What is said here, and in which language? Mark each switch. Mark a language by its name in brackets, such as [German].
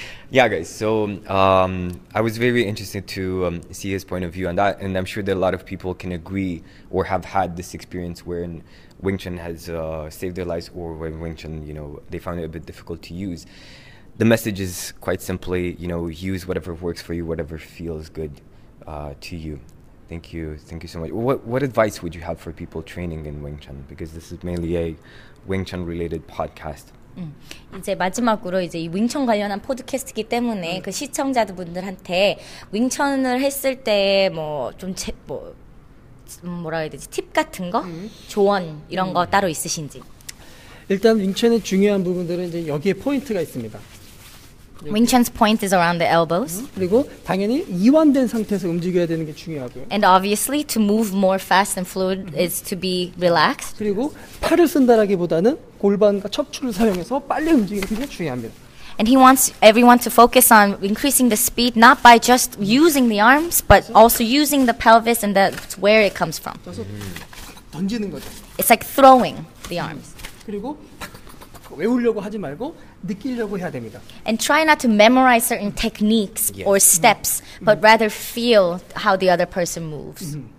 [English] Yeah, guys, so I was very interested to see his point of view on that, and I'm sure that a lot of people can agree or have had this experience where Wing Chun has saved their lives, or when Wing Chun, you know, they found it a bit difficult to use. The message is quite simply, you know, use whatever works for you, whatever feels good to you. Thank you. Thank you so much. What advice would you have for people training in Wing Chun? Because this is mainly a Wing Chun related podcast. [Korean] 이제 마지막으로 이제 윙천 관련한 포드캐스트이기 때문에 그 시청자분들한테 윙천을 했을 때 뭐 좀 제 뭐 뭐라 해야 되지 팁 같은 거 조언 이런 거 따로 있으신지 일단 윙천의 중요한 부분들은 이제 여기에 포인트가 있습니다. [English] Wing Chun's point is around the elbows. [Korean] 그리고 당연히 이완된 상태에서 움직여야 되는 게 중요하고요. [English] And obviously to move more fast and fluid is to be relaxed. [Korean] 그리고 팔을 쓴다라기보다는 골반과 척추를 사용해서 빨리 움직이는 게 중요합니다. [English] And he wants everyone to focus on increasing the speed not by just using the arms but also using the pelvis and that's where it comes from. [Korean] 그래서 던지는 거죠. [English] It's like throwing the arms. [Korean] 그리고 외우려고 하지 말고 느끼려고 해야 됩니다. [English] And try not to memorize certain techniques or steps, but rather feel how the other person moves.